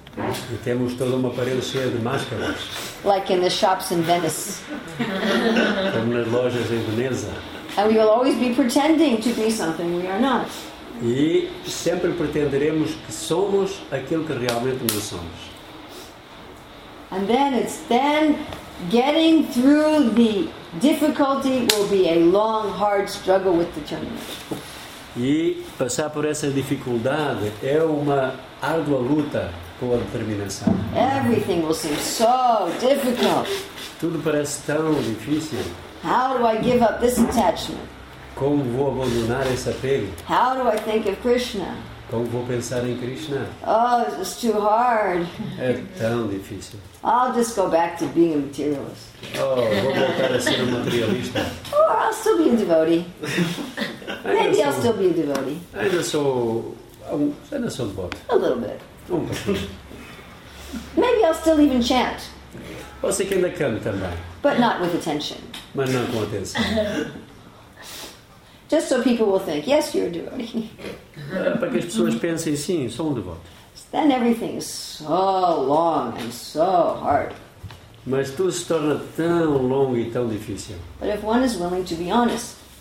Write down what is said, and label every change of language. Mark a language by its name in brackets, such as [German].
[Portuguese] E temos toda uma parede cheia de máscaras. [English] Like in the shops in Venice. [Portuguese] Como nas lojas em Veneza. [English] And we will always be pretending to be something we are not. [Portuguese] E sempre pretenderemos que somos aquilo que realmente nós somos. [English] And then it's then getting through the difficulty will be a long, hard struggle with the tournament. [Portuguese] E passar por essa dificuldade é uma árdua luta com a determinação. [English] Everything will seem so difficult. [Portuguese] Tudo parece tão difícil. [English] How do I give up this attachment? [Portuguese] Como vou abandonar esse apego? [English] How do I think of Krishna? [Portuguese] Como vou pensar em Krishna? [English] Oh, it's too hard. [Portuguese] É tão difícil. [English] I'll just go back to being a materialist. [Portuguese] Oh, vou voltar a ser um materialista. [English] Or I'll still be a devotee. Maybe I'll still be a devotee. [Portuguese] Ainda sou um devoto. [English] A little bit. [Portuguese] Um pouquinho. [English] Maybe I'll still even chant. [Portuguese] Pode ser que ainda cante também. [English] But not with attention. [Portuguese] Mas não com atenção. [English] Just so people will think, yes, you're a devotee. [Portuguese] Para que as pessoas pensem, sim, sou um devoto. [English] Then everything is so long and so hard. [Portuguese] Mas tudo se torna tão longo e tão difícil. [English] But if one is willing to be honest.